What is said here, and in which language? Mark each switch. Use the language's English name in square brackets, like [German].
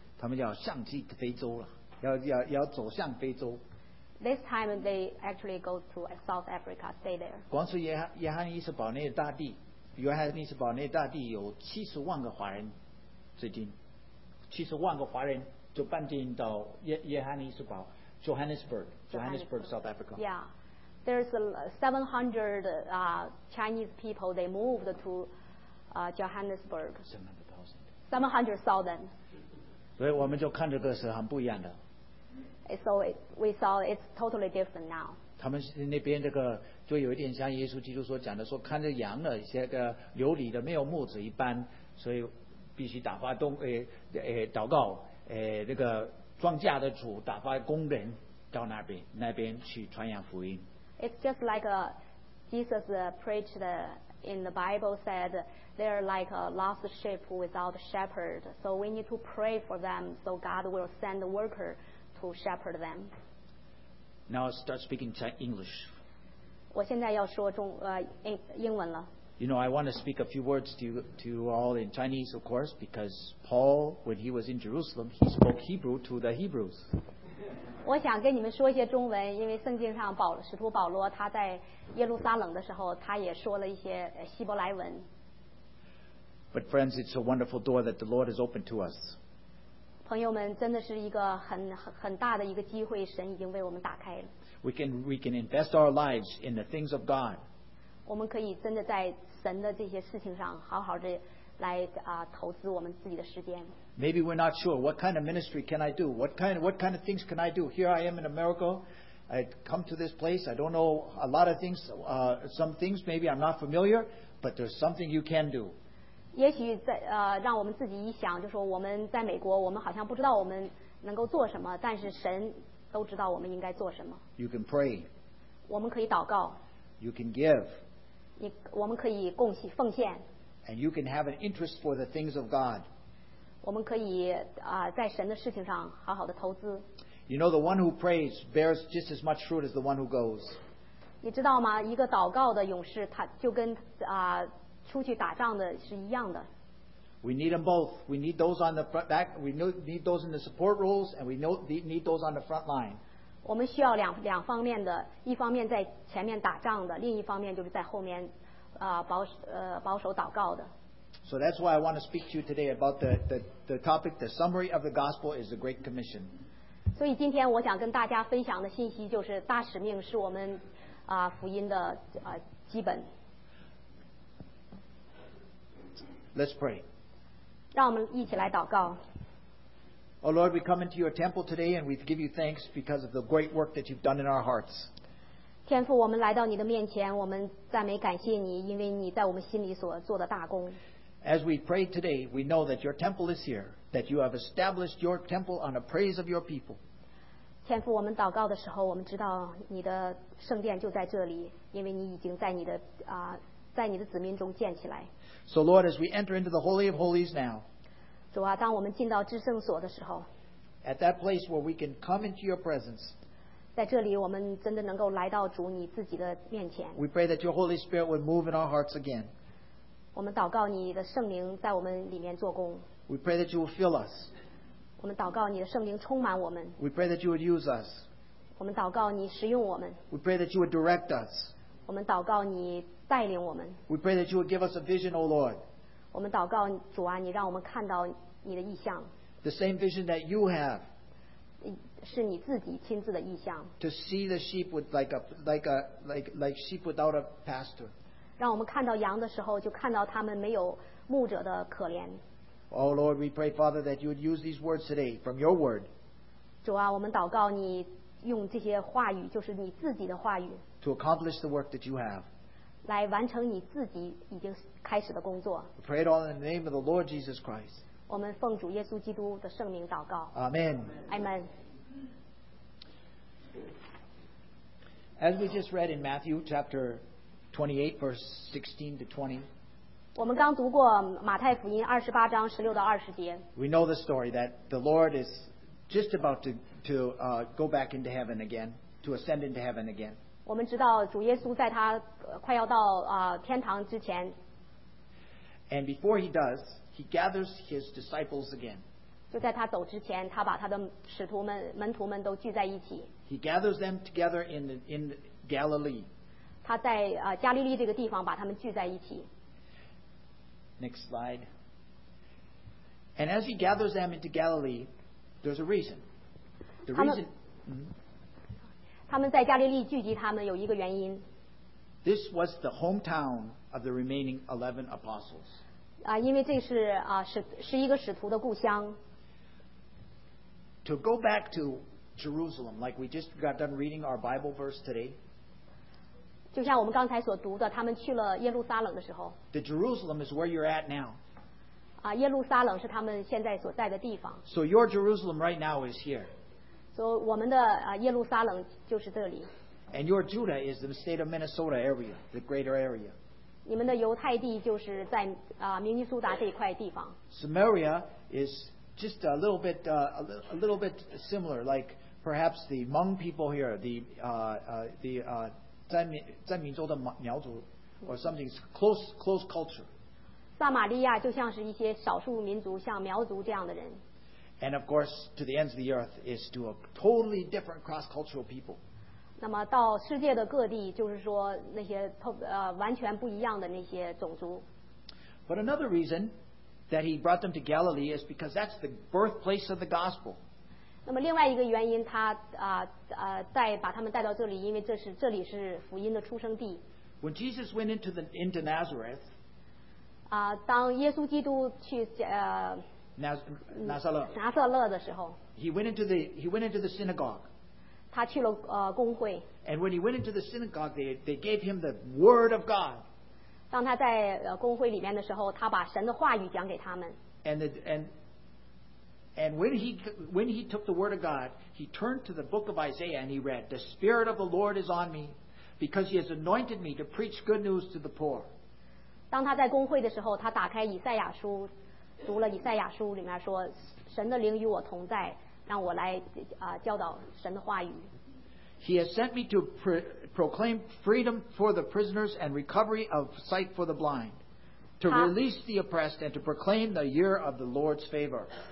[Chinese] 他们要向西非洲了，要走向非洲。 [English] This time they actually go to South Africa, stay there. [Chinese] 光是约翰尼斯堡内大地有70万个华人。最近70万个华人就搬进到约翰尼斯堡 Johannesburg, South Africa. [English] Yeah, there's 700 Chinese people. They moved to Johannesburg. 700,000. [Chinese] 所以我们就看这个是很不一样的。 [English] So we saw it's totally different now. [Chinese] 他们那边这个就有一点像耶稣基督所讲的，说看着羊的一些个流离的没有牧子一般，所以。必须打发祷告那个庄稼的主打发工人到那边去传扬福音。 [English] It's just like Jesus preached in the Bible said they're like a lost sheep without shepherd. So we need to pray for them so God will send the worker to shepherd them. Now start speaking English. [Chinese] 我现在要说英文了。 [English] You know, I want to speak a few words to you all in Chinese, of course, because Paul, when he was in Jerusalem, he spoke Hebrew to the Hebrews. [Chinese] 我想跟你们说一些中文，因为圣经上使徒保罗他在耶路撒冷的时候，他也说了一些希伯来文。 [English] But friends, it's a wonderful door that the Lord has opened to us. [Chinese] 朋友们，真的是一个很大的一个机会，神已经为我们打开了。 [English] We can invest our lives in the things of God. [Chinese] 我们可以真的在神的这些事情上好好的来投资我们自己的时间。 [English] Maybe we're not sure what kind of ministry can I do. What kind of things can I do? Here I am in America. I come to this place. I don't know a lot of things. Some things maybe I'm not familiar, but there's something you can do. [Chinese] 也许在让我们自己一想，就说我们在美国，我们好像不知道我们能够做什么，但是神都知道我们应该做什么。 [English] You can pray. [Chinese] 我们可以祷告。 [English] You can give. [Chinese] 我们可以贡献奉献。 [English] And you can have an interest for the things of God. [Chinese] 我们可以在神的事情上好好的投资。 [English] You know, the one who prays bears just as much fruit as the one who goes. [Chinese] 你知道吗？一个祷告的勇士，他就跟出去打仗的是一样的。 [English] We need them both. We need those on the front back. We need those in the support roles, and we need those on the front line. [Chinese] 我们需要两方面的，一方面在前面打仗的，另一方面就是在后面保守祷告的。 [English] So that's why I want to speak to you today about the topic. The summary of the gospel is the Great Commission. [Chinese] 所以今天我想跟大家分享的信息就是大使命是我们福音的基本。 [English] Let's pray. [Chinese] 让我们一起来祷告。 [English] Oh Lord, we come into your temple today and we give you thanks because of the great work that you've done in our hearts. [Chinese] 天父，我们来到你的面前，我们赞美感谢你，因为你在我们心里所做的大功。 [English] As we pray today, we know that your temple is here, that you have established your temple on the praise of your people. [Chinese] 天父，我们祷告的时候，我们知道你的圣殿就在这里，因为你已经在你的在你的子民中建起来。 [English] So Lord, as we enter into the Holy of Holies now, [Chinese] 主啊，当我们进到至圣所的时候， [English] at that place where we can come into your presence, [Chinese] 在这里我们真的能够来到主你自己的面前， [English] we pray that your Holy Spirit would move in our hearts again. [Chinese] 我们祷告你的圣灵在我们里面做工。 [English] We pray that you will fill us. [Chinese] 我们祷告你的圣灵充满我们。 [English] We pray that you would use us. [Chinese] 我们祷告你使用我们。 [English] We pray that you would direct us. [Chinese] 我们祷告你带领我们。 [English] We pray that you would give us a vision, O Lord. [Chinese] 我们祷告主啊，你让我们看到你的意象。 [English] The same vision that you have. [Chinese] 是你自己亲自的意象。 [English] To see the sheep with like sheep without a pastor. [Chinese] 让我们看到羊的时候，就看到他们没有牧者的可怜。 [English] O Lord, we pray, Father, that you would use these words today from your word. [Chinese] 主啊，我们祷告你用这些话语，就是你自己的话语。 [English] To accomplish the work that you have. [Chinese] 来完成你自己已经开始的工作。 [English] We pray it all in the name of the Lord Jesus Christ. [Chinese] 我们奉主耶稣基督的圣名祷告。 [English] Amen. Amen. As we just read in Matthew chapter 28, verse 16 to 20. [Chinese] 我们刚读过马太福音28章16到20节。 [English] We know the story that the Lord is just about to go back into heaven again, to ascend into heaven again. [Chinese] 我们知道主耶稣在他快要到天堂之前。 [English] And before he does, he gathers his disciples again. [Chinese] 就在他走之前，他把他的使徒们、门徒们都聚在一起。 [English] He gathers them together in Galilee. [Chinese] 他在加利利这个地方把他们聚在一起。 [English] Next slide. And as he gathers them into Galilee, there's a reason. The reason. [Chinese] 他们在加利利聚集他们有一个原因。 [English] This was the hometown of the remaining 11 apostles. [Chinese] 因为这是是一个使徒的故乡。 [English] To go back to Jerusalem, like we just got done reading our Bible verse today. [Chinese] 就像我们刚才所读的，他们去了耶路撒冷的时候。 [English] The Jerusalem is where you're at now. [Chinese] 耶路撒冷是他们现在所在的地方。 [English] So your Jerusalem right now is here. [Chinese] So, 我们的耶路撒冷就是这里。 [English] And your Judah is the state of Minnesota area, the greater area. [Chinese] 你们的犹太地就是在明尼苏达这一块地方。 [English] Samaria is just a little bit similar, like perhaps the Hmong people here, the [Chinese] 在明尼苏达的苗族 [English] or something, close culture. [Chinese] 撒玛利亚就像是一些少数民族，像苗族这样的人。 [English] And of course, to the ends of the earth is to a totally different cross-cultural people. [Chinese] 那么到世界的各地，就是说那些完全不一样的那些种族。 [English] But another reason that he brought them to Galilee is because that's the birthplace of the gospel. [Chinese] 那么另外一个原因，他再把他们带到这里，因为这里是福音的出生地。 [English] When Jesus went into Nazareth, [Chinese] 当耶稣基督去拿撒勒的时候， [English] he went into the synagogue. [Chinese] 他去了公会。 [English] And when he went into the synagogue, they gave him the word of God. [Chinese] 当他在公会里面的时候，他把神的话语讲给他们。 [English] And when he took the word of God, he turned to the book of Isaiah and he read, "The Spirit of the Lord is on me, because he has anointed me to preach good news to the poor." [Chinese] 当他在公会的时候，他打开以赛亚书，读了以赛亚书里面说，神的灵与我同在，让我来教导神的话语。 [English] He has sent me to proclaim freedom for the prisoners and recovery of sight for the blind, to release the oppressed and to proclaim the year of the Lord's favor.